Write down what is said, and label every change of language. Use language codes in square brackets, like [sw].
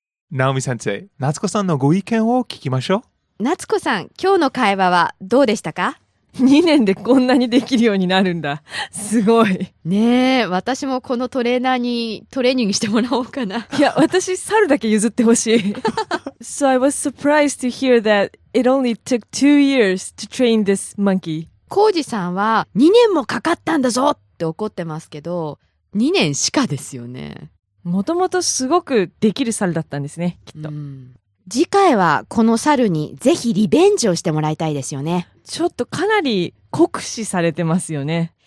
[ja] ナオミ先生、夏子さんのご意見を聞きましょう。夏子さん、今日の会話はどうでしたか? 2年でこんなにできるようになるんだ。すごい。ねえ、私もこのトレーナーにトレーニングしてもらおうかな。いや、私、猿だけ譲ってほしい。 [en] So I was surprised to hear that it only took 2 years to train this monkey. [ja] コウジさんは2年もかかったんだぞって怒ってますけど、2年しかですよね。もともとすごくできる猿だったんですね、きっと。次回はこの猿にぜひリベンジをしてもらいたいですよね。ちょっとかなり酷使されてますよね。